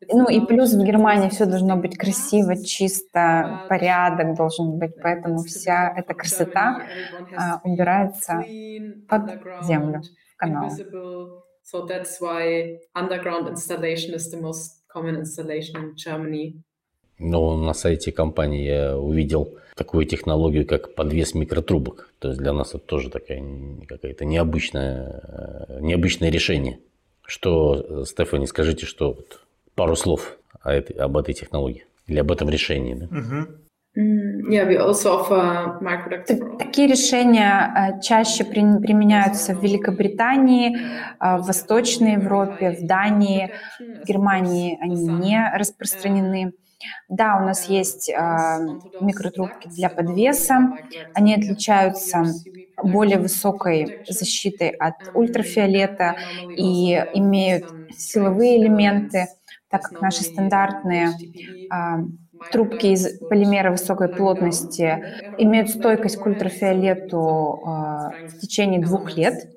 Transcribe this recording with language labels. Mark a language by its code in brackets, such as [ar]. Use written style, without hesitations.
[ru] Ну и плюс в Германии все должно быть красиво, чисто, порядок должен быть, поэтому вся эта красота убирается под землю, в канал. [en] So that's why underground installation is the most common installation in Germany. [ru] Ну, на сайте компании я увидел такую технологию, как подвес микротрубок. То есть для нас это тоже такая какая-то необычное решение. Что, Стефани, скажите, что вот, пару слов об этой технологии или об этом решении? Да? [en] Yeah, we also offer microductive. [ru] Такие решения чаще применяются в Великобритании, в Восточной Европе, в Дании, в Германии они не распространены. Да, у нас есть микротрубки для подвеса. Они отличаются более высокой защитой от ультрафиолета и имеют силовые элементы, так как наши стандартные трубки из полимера высокой плотности имеют стойкость к ультрафиолету в течение 2 лет.